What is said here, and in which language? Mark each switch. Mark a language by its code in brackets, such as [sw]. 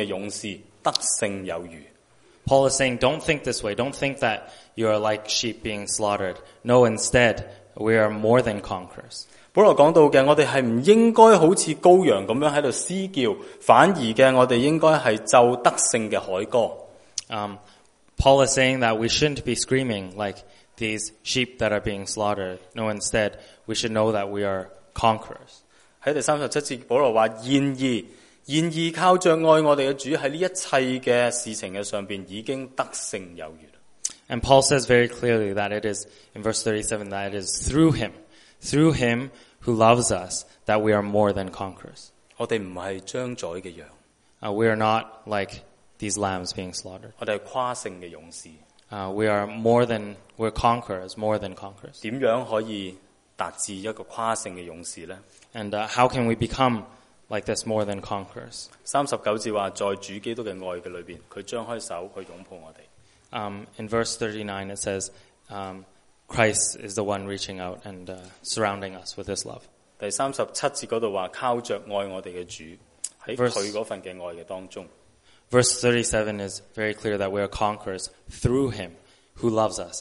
[zh] 我们不是好像将宰的羊，反而我们是好像夸胜的勇士，得胜有余。 [en] Paul is saying, don't think this way. Don't think that you are like sheep being slaughtered. No, instead, we are more than conquerors. [zh] 保罗讲到的，我们是不应该好像羔羊那样在那里嘶叫，反而我们应该是奏得胜的凯歌。 [en] Paul is saying that we shouldn't be screaming like these sheep that are being slaughtered. No, instead, we should know that we are conquerors. [zh] 在第37节，保罗说，然而靠着爱我们的主，在这一切的事情上已经得胜有余了。 [en] Paul says very clearly that it is, in verse 37, that it is through him who loves us, that we are more than conquerors. [zh] 我们不是将宰的羊。 [en] We are not like these lambs being slaughtered. [zh] 我们是跨胜的勇士。 [en] We're conquerors, more than conquerors. [zh] 怎样可以达至一个跨胜的勇士呢？ [en] And how can we become like this more than conquerors? [zh] 39节说，在主基督的爱里面，他张开手去拥抱我们。 [en] In verse 39 it says, Christ is the one reaching out and surrounding us with his love. [zh] 第37节那里说，靠着爱我们的主，在他那份的爱的当中。 [en] Verse 37 is very clear that we are conquerors through him who loves us.